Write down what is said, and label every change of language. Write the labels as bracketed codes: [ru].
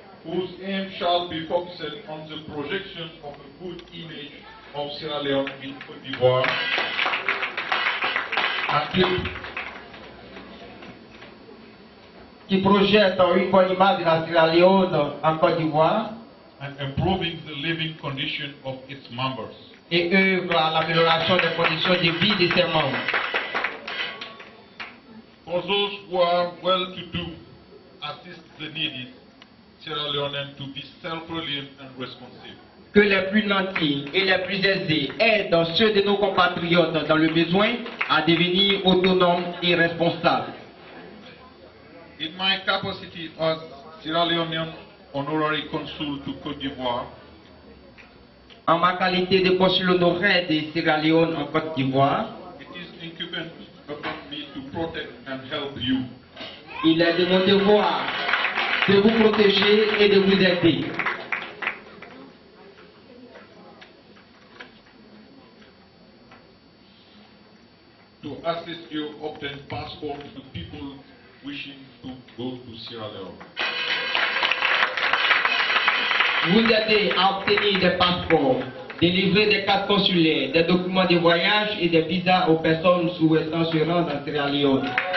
[en] Whose aim shall be focused on the projection of a good image of Sierra Leone in Côte d'Ivoire. [fr] Qui projette une bonne image de la Sierra Leone en Côte d'Ivoire. [en] And improving the living condition of its members. [fr] Et œuvre à l'amélioration des conditions de vie de ses membres. [en] For those who are well to do, assist the needy. Sierra Leone to be self-reliant and responsive. [fr] Que les plus nantis et les plus aisés aident ceux de nos compatriotes dans le besoin à devenir autonomes et responsables. [en] In my capacity as Sierra Leonean honorary consul to Côte d'Ivoire, [fr] en ma qualité de consul honoraire de Sierra Leone en Côte d'Ivoire, [en] it is incumbent upon me to protect and help you. [fr] Il est de mon devoir de vous protéger et de vous aider. [en] To assist you obtain passports to people wishing to go to Sierra Leone. [fr] Vous aider à obtenir des passeports, délivrer des cartes consulaires, des documents de voyage et des visas aux personnes souhaitant se rendre à Sierra Leone.